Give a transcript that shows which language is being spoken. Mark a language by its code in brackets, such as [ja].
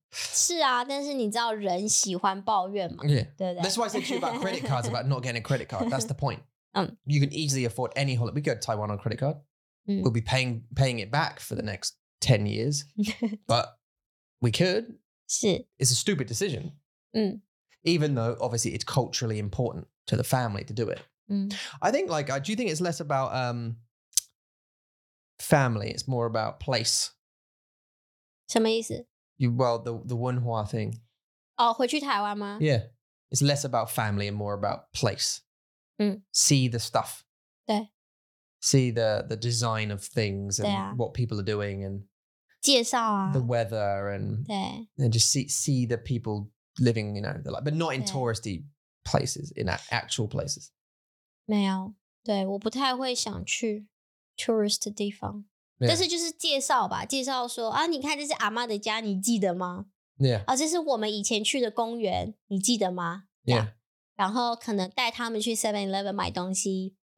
[zh] 是啊,但是你知道人喜欢抱怨嘛。 [en] Yeah. That's why I said to you about credit cards, about not getting a credit card. That's the point. You can easily afford any holiday. We go to Taiwan on a credit card. We'll be paying it back for the next 10 years. But we could. [zh] 是, [en] it's a stupid decision. Even though obviously it's culturally important to the family to do it. I think like, do you think it's less about family? It's more about place. [zh] 什么意思? [en] The Wenhua thing. [zh] Oh, 回去台湾吗? [en] Yeah. It's less about family and more about place. See the stuff. [zh] 对. [en] See the design of things and what people are doing and [zh] 介绍啊, [en] the weather and, [zh] 对, [en] and just see the people living, you know, the life, but not in touristy places, in actual places. [zh] 没有，对，我不太会想去 tourist 地方，但是就是介绍吧，介绍说啊，你看这是阿妈的家，你记得吗？啊，这是我们以前去的公园，你记得吗？然后可能带他们去 7-Eleven 买东西。